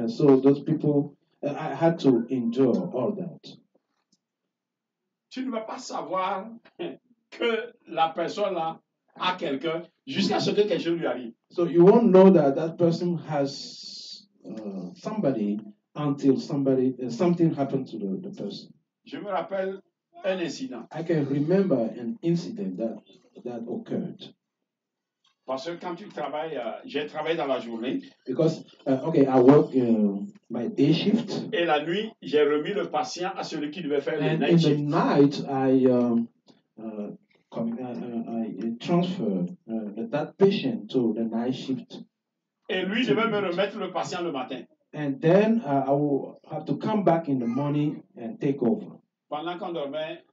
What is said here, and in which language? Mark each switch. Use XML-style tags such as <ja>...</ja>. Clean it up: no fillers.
<en>So those people, I had to endure all that.</en> <fr>Tu ne vas pas savoir que la personne là a quelqu'un jusqu'à ce que quelque chose lui arrive.</fr> <en>So you won't know that person has somebody until something happened to the person.</en> <fr>Je me rappelle. Un incident.</fr> <en>I can remember an incident that occurred.</en> <fr>Parce que quand tu travailles, j'ai travaillé dans la journée.</fr> <en>Because I work my day shift.</en> <fr>Et la nuit, j'ai remis le patient à celui qui devait faire le night</fr> <en>in shift. In the night, I transfer that patient to the night shift.</en> <fr>Et lui, je vais me remettre le patient le matin.</fr> <en>And then I will have to come back in the morning and take over.</en> <fr>Pendant qu'on dormait,</fr>